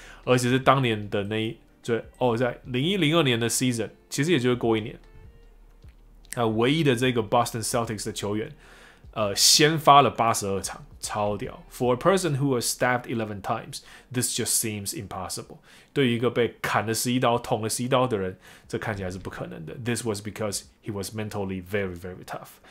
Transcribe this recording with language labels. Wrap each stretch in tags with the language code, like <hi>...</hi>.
<zh>而且是当年的那一就、哦、在2001-2002年的 season, 其实也就是过一年。唯一的这个 Boston Celtics 的球员、先发了82场，超屌。</zh> <en>For a person who was stabbed 11 times, this just seems impossible.</en> <zh>对于一个被砍了11刀、捅了11刀的人，这看起来是不可能的。</zh> <en>This was because he was mentally very, very tough.</en>